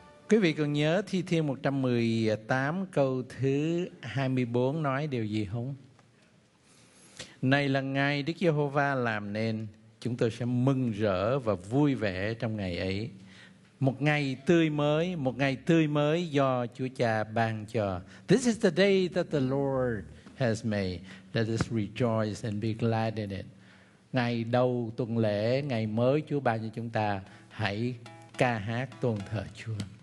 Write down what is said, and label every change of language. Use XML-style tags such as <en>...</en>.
<vi>Quý vị còn nhớ Thi Thiên 118 câu thứ 24 nói điều gì không? Này là ngày Đức Giê-hô-va làm nên, chúng tôi sẽ mừng rỡ và vui vẻ trong ngày ấy. Một ngày tươi mới do Chúa Cha ban cho.</vi> <en>This is the day that the Lord has made. Let us rejoice and be glad in it.</en> <vi>Ngày đầu tuần lễ, ngày mới Chúa ban cho chúng ta, hãy ca hát tôn thờ Chúa.</vi>